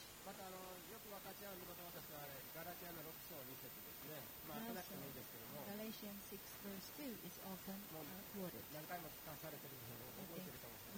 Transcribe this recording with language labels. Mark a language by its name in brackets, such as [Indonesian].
[Japanese] またよく分かち合う御言葉としてはガラテヤの6章2節ですね。 [English] Galatians 6 verse 2 is often quoted. [Japanese] 何回も聞かされてるんですけど、覚えてると思います。